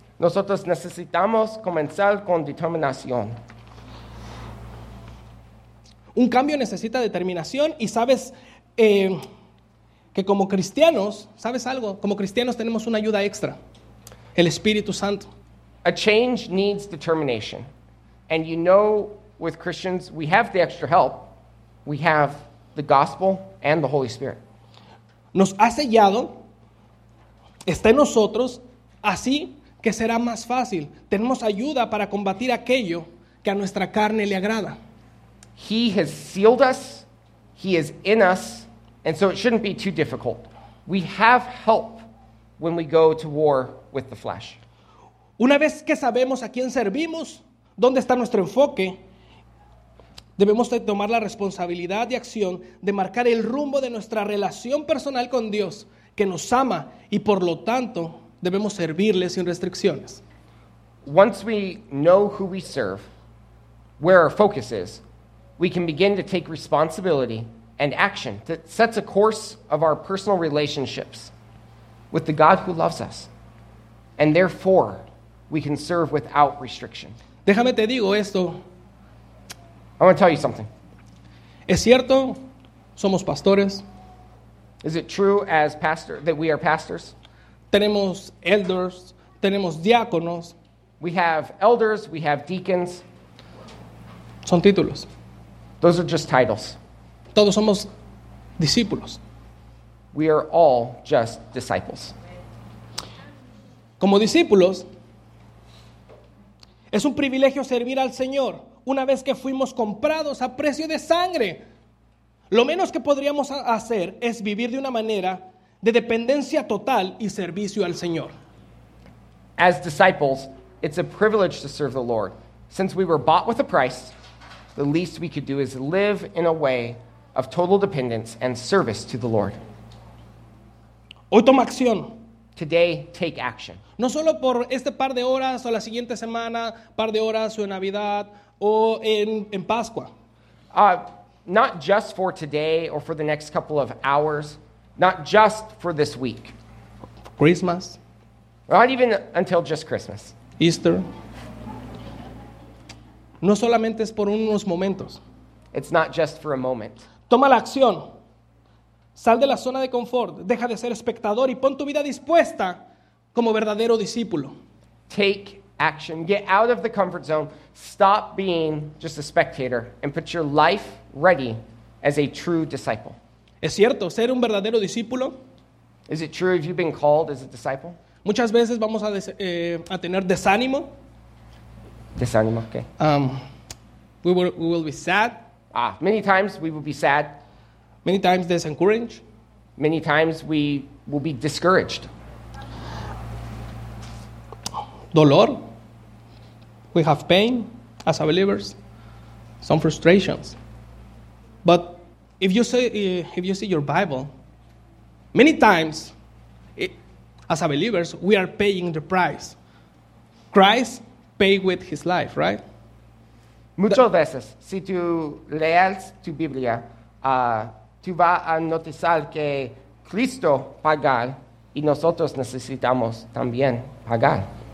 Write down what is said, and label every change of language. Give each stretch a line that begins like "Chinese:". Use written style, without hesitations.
Spanish: Nosotros necesitamos comenzar con determinación. Un cambio necesita determinación y sabes que como cristianos, ¿sabes algo? Como cristianos tenemos una ayuda extra, el Espíritu Santo.
English: A change needs determination. And you know, with Christians, we have the extra help. We have the gospel and the Holy Spirit.
Spanish: Nos ha sellado, está en nosotros, así que será más fácil. Tenemos ayuda para combatir aquello que a nuestra carne le agrada.
English: He has sealed us, he is in us, and so it shouldn't be too difficult. We have help when we go to war with the flesh.
Spanish: Una vez que sabemos a quién servimos, dónde está nuestro enfoque, debemos de tomar la responsabilidad de acción de marcar el rumbo de nuestra relación personal con Dios, que nos ama y por lo tanto debemos servirle sin restricciones.
English: Once we know who we serve, where our focus is, we can begin to take responsibility and action that sets a course of our personal relationships with the God who loves us. And therefore, we can serve without restriction.
Spanish: Déjame te digo esto.
English: I want to tell you something.
Spanish: ¿Es cierto? Somos pastores.
English: Is it true as pastor that we are pastors?
Spanish: Tenemos elders, tenemos diáconos.
English: We have elders, we have deacons.
Spanish: Son títulos.
English: Those are just titles.
Spanish: Todos somos discípulos.
English: We are all just disciples.
Spanish: Como discípulos, es un privilegio servir al Señor. Una vez que fuimos comprados a precio de sangre, lo menos que podríamos hacer es vivir de una manera de dependencia total y servicio al Señor.
English: As disciples, it's a privilege to serve the Lord. Since we were bought with a price, the least we could do is live in a way of total dependence and service to the Lord.
Spanish: Hoy toma acción.
English: Today, take action.
Spanish: No solo por este par de horas o la siguiente semana, par de horas o en Navidad o en Pascua.
English: Not just for today or for the next couple of hours. Not just for this week. Christmas. Not even until just Christmas. Easter.
Spanish: No solamente es por unos momentos.
English: It's not just for a moment.
Spanish: Toma la acción. Sal de la zona de confort. Deja de ser espectador y pon tu vida dispuesta como verdadero discípulo.
English: Take action. Get out of the comfort zone. Stop being just a spectator and put your life ready as a true disciple.
Spanish: ¿Es cierto ser un verdadero discípulo?
English: Is it true if you've been called as a disciple?
Spanish: Muchas veces vamos a tener desánimo. Desánimo, okay.
English: We will be sad. Many times we will be sad. Many times discouraged. Many times we will be discouraged.
Spanish: Dolor.
English: We have pain as believers. Some frustrations. But if you see your Bible, many times as believers we are paying the price. Christ pay with his life, right?
Spanish: Muchas veces, si tú lees tu Biblia, tú vas a notar que Cristo paga y nosotros necesitamos también pagar.